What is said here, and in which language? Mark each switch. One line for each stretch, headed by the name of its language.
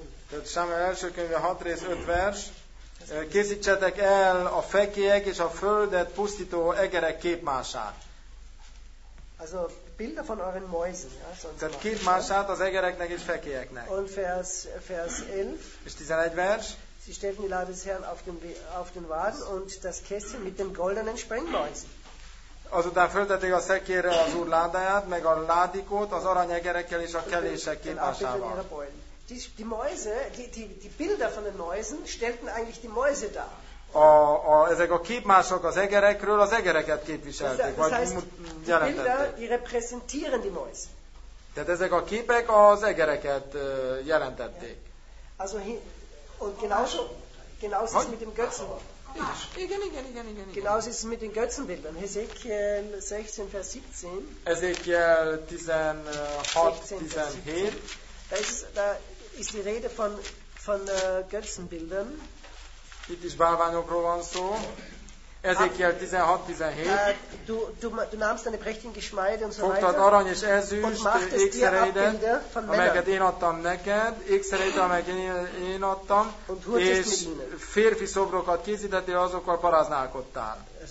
Hungarian: Tehát Sámuel első könyve 6 rész 5 vers. Készítsetek el a fekélyek és a földet pusztító egerek képmását.
German: Also Bilder von euren Mäusen,
Hungarian: tehát képmását az egereknek és fekélyeknek.
German: Und vers 11.
Hungarian: És 11 vers.
German: Sie stellten die Lade des Herrn auf den Wagen und das Kästchen mit den goldenen Sprengmäusen.
Hungarian: Azután föltették a szekérre az Úr ládáját, meg a ládikót, az aranyegerekkel és a kelések képmásával.
German: Die Mäuse, die Bilder von den Mäusen stellten eigentlich die Mäuse dar.
Hungarian: Ezek a képmások az egerekről az egereket képviselték.
German: Die Bilder, die repräsentieren die Mäuse.
Hungarian: Tehát ezek a képek az egereket jelentették.
German: Also, und genauso ist mit dem Götzen. Genauso ist es mit den Götzenbildern. Hesekiel 16, Vers 17.
Hungarian: Ezekiel 16,
German: Vers 17. Da ist die Rede von Götzenbildern.
Hungarian: Itt is bálványokról van szó. Ezekiel 16-17.
German: Du nahmst deine prächtigen Geschmeide und so weiter.
Hungarian: Fogtad arany és ezüst ékszereidet, amelyeket én adtam neked, ékszereidet, amelyeket én adtam, és férfi szobrokat készítettél, azokkal paráználkodtál.